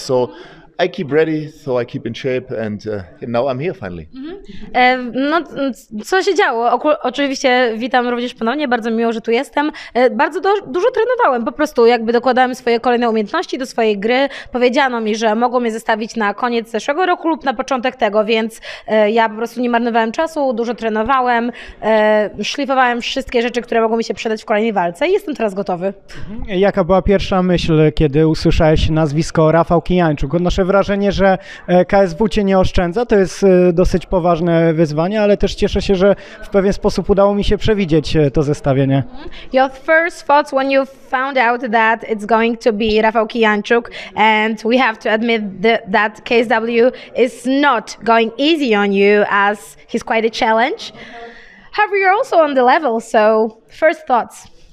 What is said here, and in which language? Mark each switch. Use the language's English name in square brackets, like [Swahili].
[English] So I keep ready, so I keep in shape, and now I'm here finally. [Polish] No, co się działo? Oczywiście witam również ponownie, bardzo miło, że tu jestem. Bardzo dużo trenowałem, po prostu jakby dokładałem swoje kolejne umiejętności do swojej gry. Powiedziano mi, że mogą mnie zestawić na koniec zeszłego roku lub na początek tego, więc ja po prostu nie marnowałem czasu, dużo trenowałem, szlifowałem wszystkie rzeczy, które mogą mi się przydać w kolejnej walce i jestem teraz gotowy. Jaka była pierwsza myśl, kiedy usłyszałeś nazwisko Rafał Kijańczuk? Nasze wrażenie, że KSW cię nie oszczędza, to jest dosyć poważne wyzwanie, ale też cieszę się, że w pewien sposób udało mi się przewidzieć to zestawienie. [English] Your first thoughts when you found out that it's going to be Rafał Kijańczuk and we have to admit that KSW is not going easy on you as he's quite a challenge. However, you're also on the level, so first thoughts.